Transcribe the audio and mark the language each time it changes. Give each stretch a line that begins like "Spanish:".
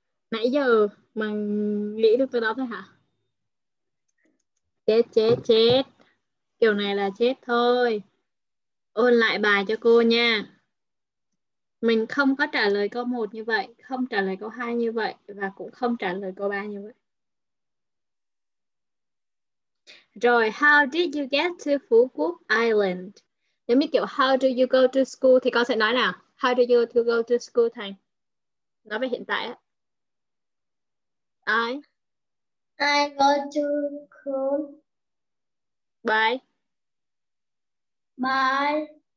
Vietnamese: Nãy giờ mà nghĩ được cái đó thôi hả? Chết chết chết. Kiểu này là chết thôi. Ôn lại bài cho cô nha. Mình không có trả lời câu 1 như vậy, không trả lời câu 2 như vậy và cũng không trả lời câu 3 như vậy.
English: Rồi, how did you get to Phú Quốc Island?
Vietnamese: Nếu mình kiểu
English: how do you go to school
Vietnamese: thì con sẽ nói nào?
English: How do you go to school, Thành?
Vietnamese: Nói về hiện tại á.
English: I? I go to school. Bye. Bye.